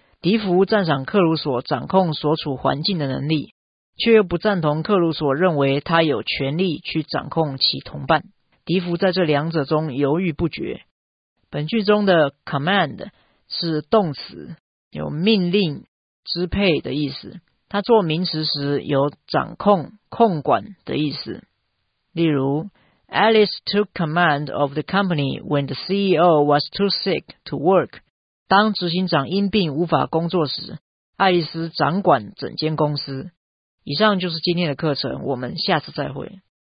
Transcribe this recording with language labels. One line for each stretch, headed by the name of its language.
Chinese: 迪福赞赏克鲁索掌控所处环境的能力，却又不赞同克鲁索认为他有权利去掌控其同伴。迪福在这两者中犹豫不决。本句中的 command 是动词，有命令、支配的意思。它做名词时有掌控、控管的意思。例如
English: ,Alice took command of the company when the CEO was too sick to work.
Chinese: 当执行长因病无法工作时，爱丽丝掌管整间公司。以上就是今天的课程，我们下次再会。